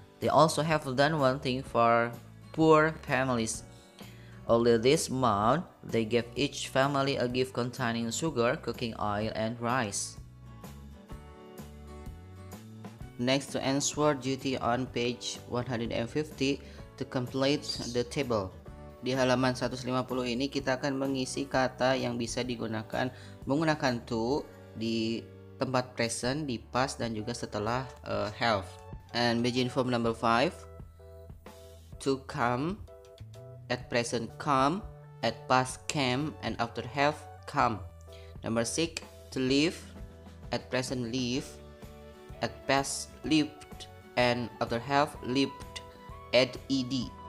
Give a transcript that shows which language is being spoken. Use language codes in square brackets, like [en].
[en] They also have done one thing for poor families. Only this month, they gave each family a gift containing sugar, cooking oil, and rice. Next, to answer duty on page 150 to complete the table. [id] Di halaman 150 ini kita akan mengisi kata yang bisa digunakan menggunakan to di tempat present, di past, dan juga setelah have. [en] And begin form number 5, to come, at present come, at past came, and after have come. Number 6, to live, at present live, at past lived, and after have lived, at ed.